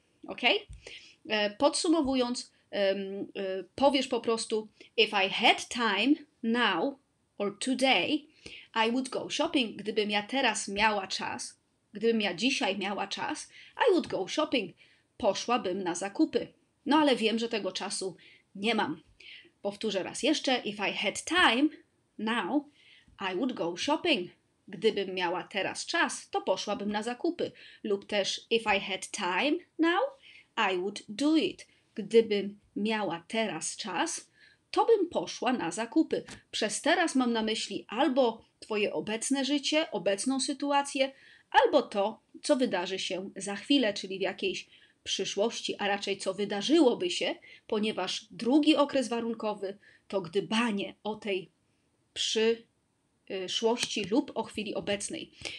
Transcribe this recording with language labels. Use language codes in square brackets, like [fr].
[en] Ok? [pl] Podsumowując, powiesz po prostu [en] if I had time now or today, I would go shopping. [pl] Gdybym ja teraz miała czas, gdybym ja dzisiaj miała czas, [en] I would go shopping. [pl] Poszłabym na zakupy. No ale wiem, że tego czasu nie mam. Powtórzę raz jeszcze. [en] If I had time now, I would go shopping. [pl] Gdybym miała teraz czas, to poszłabym na zakupy. Lub też [en] if I had time now, I would do it. [pl] Gdybym miała teraz czas, to bym poszła na zakupy. Przez teraz mam na myśli albo twoje obecne życie, obecną sytuację, albo to, co wydarzy się za chwilę, czyli w jakiejś przyszłości, a raczej co wydarzyłoby się, ponieważ drugi okres warunkowy to gdybanie o tej przyszłości lub o chwili obecnej.